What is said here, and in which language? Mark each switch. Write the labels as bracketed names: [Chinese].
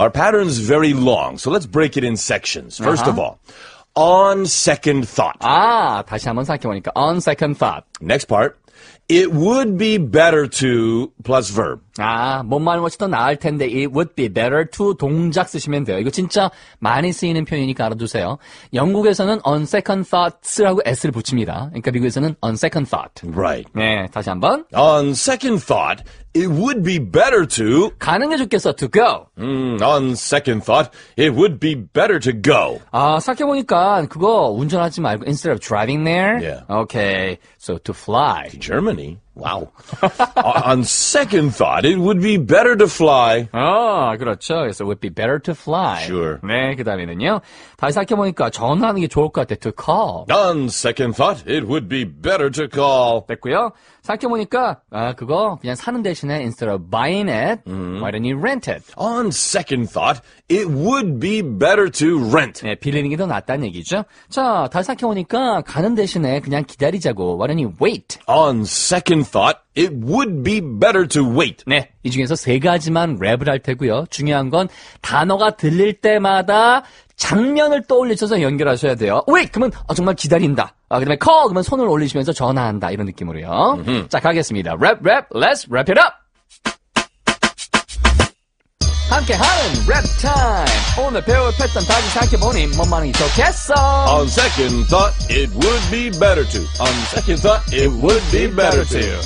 [English] Our pattern's very long, so let's break it in sections. First of all, on second thought. [Korean] 아, 다시 한번 생각해보니까. [English] On second thought. Next part. It would be better to plus verb. [Korean] 아, 뭔말 것이 더 나을 텐데 [English] it would be better to [Korean] 동작 쓰시면 돼요. 이거 진짜 많이 쓰이는 표현이니까 알아두세요. 영국에서는 [English] on second thoughts [Korean] 라고 S를 붙입니다. 그러니까 미국에서는 [English] on second thought. Right. [Korean] 네, 다시 한번. [English] On second thought, it would be better to [Korean] 가는 게 좋겠어, [English] to go. On second thought, it would be better to go. [Korean] 아, 생각해보니까 그거 운전하지 말고 [English] instead of driving there. Yeah. Okay, so to fly. To Germany. Wow. On second thought, it would be better to fly. [Korean] 아, 그렇죠. [English] So it would be better to fly. Sure. [Korean] 네, 그 다음에는요. 다시 생각해보니까 전화하는 게 좋을 것 같아. [English] To call. On second thought, it would be better to call. [Korean] 됐고요. 생각해보니까 아, 그거 그냥 사는 대신에 [English] instead of buying it, why don't you rent it? On second thought, it would be better to rent. [Korean] 네, 빌리는 게 더 낫다는 얘기죠. 자, 다시 생각해보니까 가는 대신에 그냥 기다리자고. [English] Why don't you wait? On second thought, it would be better to wait. [Korean] 네, 이 중에서 세 가지만 랩을 할 테고요. 중요한 건 단어가 들릴 때마다 장면을 떠올리셔서 연결하셔야 돼요. [English] Wait! [Korean] 그러면 어, 정말 기다린다. 아, 그 다음에 call! 그러면 손을 올리시면서 전화한다. 이런 느낌으로요. 자, 가겠습니다. [English] Rap, rap, let's wrap it up! [Korean] 함께하는 랩 타임! 오늘 배울 패턴 다시 생각해보니 뭔 말이 좋겠어? [English] On second thought, it would be better to. On second thought, it would be better to.